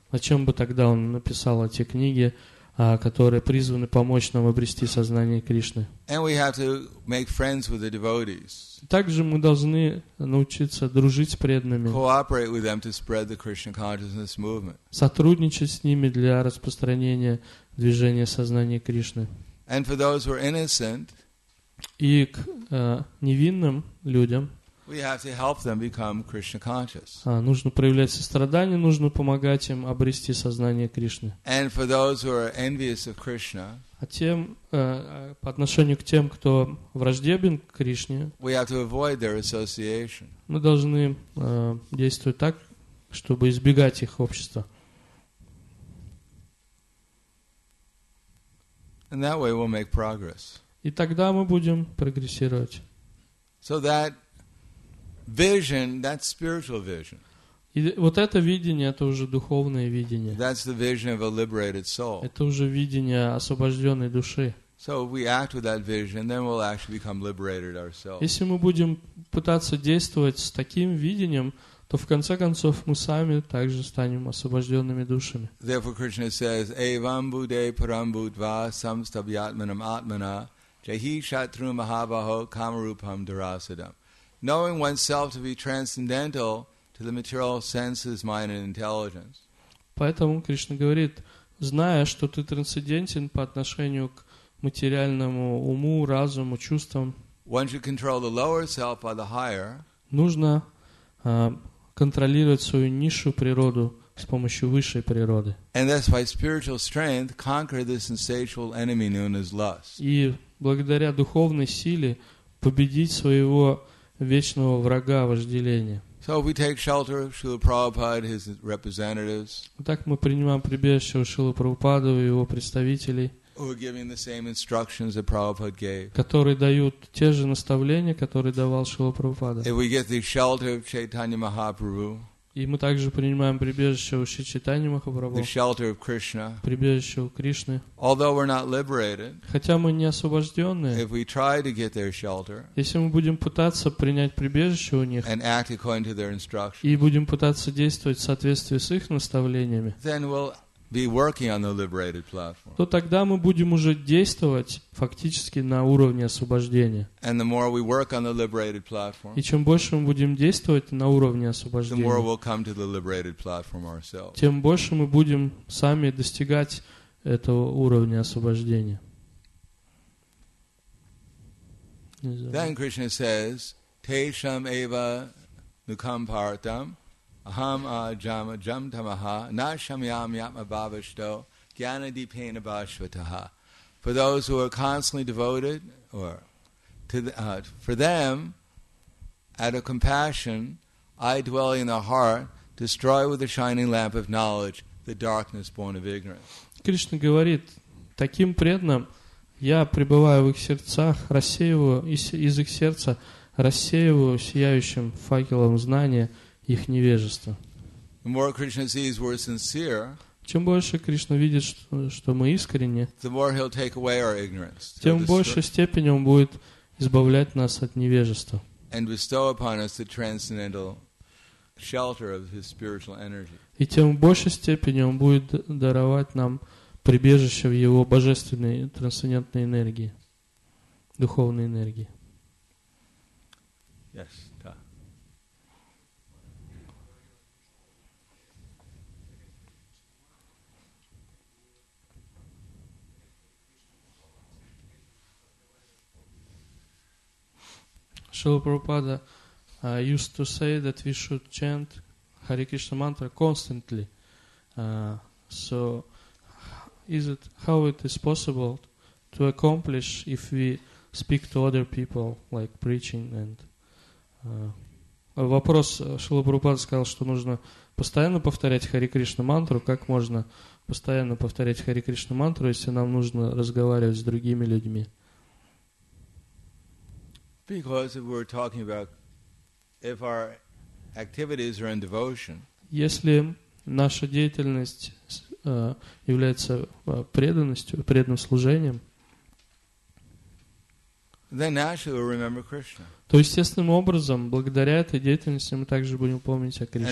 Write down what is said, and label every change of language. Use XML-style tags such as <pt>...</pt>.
<ru>Зачем бы тогда он написал эти книги, которые призваны помочь нам обрести сознание Кришны?</ru> <en>And we have to make friends with the devotees.</en> <ru>Также мы должны научиться дружить с преданными.</ru> <en>Cooperate with them to spread the Krishna consciousness movement.</en> <ru>Сотрудничать с ними для распространения движения сознания Кришны.</ru> <en>And for those who are innocent,</en> <ru>и к невинным людям,</ru> <en>we have to help them become Krishna conscious.</en> <ru>Нужно проявлять сострадание, нужно помогать им обрести сознание Кришны.</ru> <en>And for those who are envious of Krishna,</en> <ru>по отношению к тем, кто враждебен к Кришне,</ru> <en>we have to avoid their association.</en> <ru>Мы должны действовать так, чтобы избегать их общества.</ru> <en>And that way we'll make progress.</en> <ru>И тогда мы будем прогрессировать.</ru> <en>So that vision, that's spiritual vision.</en> <ru>И вот это видение, это уже духовное видение.</ru> <en>That's the vision of a liberated soul.</en> <ru>Это уже видение освобожденной души.</ru> <en>So if we act with that vision, then we'll actually become liberated ourselves.</en> <ru>Если мы будем пытаться действовать с таким видением, то в конце концов мы сами также станем освобожденными душами.</ru> <en>Therefore, Krishna says,</en> <sa>"Evam bude parambudva samstabhyatmanam atmana jahi shatru mahabaho kamarupam durasidam."</sa> <en>Knowing oneself to be transcendental to the material senses, mind, and intelligence.</en> <ru>Поэтому Кришна говорит: зная, что ты трансцендентен по отношению к материальному уму, разуму, чувствам.</ru> <en>Once you control the lower self by the higher,</en> <ru>нужно контролировать свою низшую природу с помощью высшей природы.</ru> <en>And that's why spiritual strength conquered this insatiable enemy known as lust.</en> <ru>И благодаря духовной силе победить своего вечного врага вожделения.</ru> <en>So if we take shelter of Srila Prabhupada, his representatives.</en> <ru>Так мы принимаем прибежище у Шрилы Прабхупады и его представителей.</ru> <en>Who are giving the same instructions that Prabhupada gave?</en> <ru>Которые дают те же наставления, которые давал Шрила Прабхупада.</ru> <en>If we get the shelter of Chaitanya Mahaprabhu.</en> <ru>И мы также принимаем прибежище у Шри Чайтаньи Махапрабху.</ru> <en>The shelter of Krishna.</en> <ru>Прибежище у Кришны.</ru> <en>Although we're not liberated.</en> <ru>Хотя мы не освобожденные.</ru> <en>If we try to get their shelter.</en> <ru>Если мы будем пытаться принять прибежище у них.</ru> <en>And act according to their instructions.</en> <ru>И будем пытаться действовать в соответствии с их наставлениями.</ru> <en>Then we'll be working on the liberated platform.</en> <ru>То тогда мы будем уже действовать фактически на уровне освобождения.</ru> <en>And the more we work on the liberated platform.</en> <ru>И чем больше мы будем действовать на уровне освобождения.</ru> <en>The more we'll come to the liberated platform ourselves.</en> <ru>Тем больше мы будем сами достигать этого уровня освобождения.</ru> <en>Then Krishna says,</en> <sa>"Tesham eva nukampartam." Aham ajama jam tamaha na shamyam yatma bhavashto jnana dipena bhashvataha.</sa> <en>For those who are constantly devoted, or to the, for them, out of compassion, I dwell in the heart, destroy with the shining lamp of knowledge the darkness born of ignorance.</en> <ru>Кришна говорит, таким преданным я пребываю в их сердцах, рассеиваю из их сердца, рассеиваю сияющим факелом знания их невежество.</ru> <en>The more Krishna sees we're sincere,</en> <ru>чем больше Кришна видит, что мы искренне,</ru> <en>the more he'll take away our ignorance,</en> <ru>тем в большей степени он будет избавлять нас от невежества.</ru> <en>And bestow upon us the transcendental shelter of his spiritual energy.</en> <ru>И тем большей степени он будет даровать нам прибежище в его божественной трансцендентной энергии, духовной энергии.</ru> <en>Yes. Шрила Прабхупада used to say that we should chant Hare Krishna mantra constantly. So, how is it possible to accomplish if we speak to other people like preaching and?</en> <ru>Вопрос Шрила Прабхупада сказал, что нужно постоянно повторять Hare Krishna mantra. Как можно постоянно повторять Hare Krishna mantra, если нам нужно разговаривать с другими людьми?</ru> <en>Because if we're talking about if our activities are in devotion,</en> <ru>если наша деятельность является преданностью, преданным служением,</ru> <en>then naturally we'll remember Krishna.</en> <ru>То естественным образом, благодаря этой деятельности, мы также будем помнить о Кришне.</ru>